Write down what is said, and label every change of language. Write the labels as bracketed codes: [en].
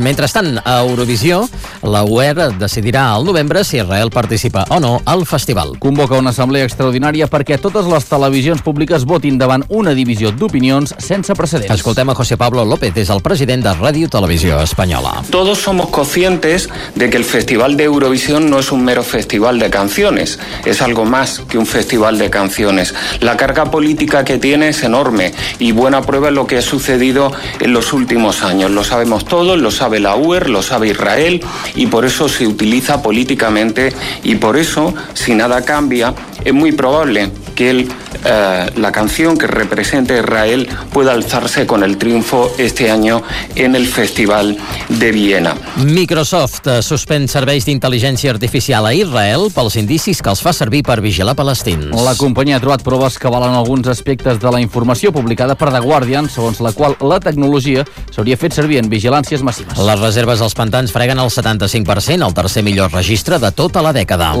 [ca] Mentrestant, a Eurovisió, la UE decidirà al novembre si Israel participa o no al festival. Convoca una assemblea extraordinària perquè totes les televisions públiques votin davant una divisió d'opinions sense precedents. Escoltem a José Pablo López, és el president de Radio Televisió Espanyola. [es] Todos somos conscientes de que el Festival de Eurovisión no es un mero festival de canciones, es algo más que un festival de canciones. La carga política que tiene es enorme y buena prueba es lo que ha sucedido en los últimos años. Lo sabemos todos, lo sabe la UER, lo sabe Israel y por eso se utiliza políticamente y por eso, si nada cambia, es muy probable que la canción que representa Israel pueda alzarse con el triunfo este año en el Festival de Viena. [ca] Microsoft suspèn serveis d'intel·ligència artificial a Israel pels indicis que els fa servir per vigilar palestins. La companyia ha trobat proves que avalen alguns aspectes de la informació publicada per The Guardian, segons la qual la tecnologia s'hauria fet servir en vigilàncies massives. Les reserves als pantans freguen el 75%, el tercer millor registre de tota la dècada.